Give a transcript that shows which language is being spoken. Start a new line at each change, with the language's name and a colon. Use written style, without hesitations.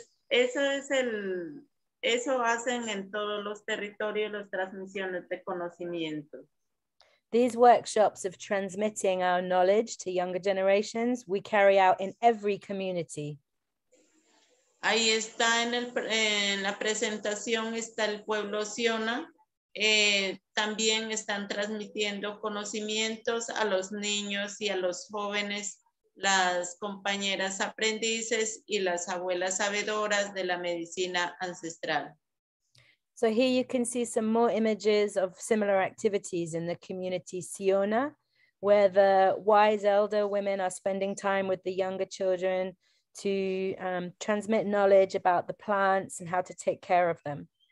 Spanish: Eso hacen en todos los territorios las transmisiones de conocimiento.
English: These workshops of transmitting our knowledge to younger generations, we carry out in every community.
Spanish: Ahí está en la presentación, está el pueblo Siona. También están transmitiendo conocimientos a los niños y a los jóvenes, las compañeras aprendices y las abuelas sabedoras de la medicina ancestral.
English: So here you can see some more images of similar activities in the community Siona, where the wise elder women are spending time with the younger children to transmit knowledge about the plants and how to take care of them.